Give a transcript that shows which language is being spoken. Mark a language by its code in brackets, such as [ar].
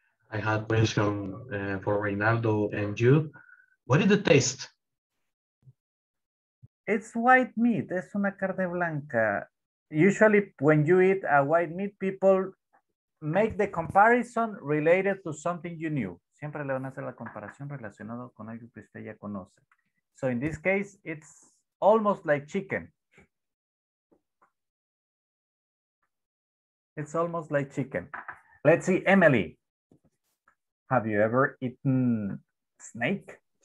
[en] I had a question for Reynaldo and you. What is the taste? It's white meat. [es] Es una carne blanca. [en] Usually when you eat a white meat, people make the comparison related to something you knew. [es] Siempre le van a hacer la comparación relacionada con algo que usted ya conoce. [en] So in this case, it's almost like chicken. It's almost like chicken. Let's see, Emily. Have you ever eaten snake?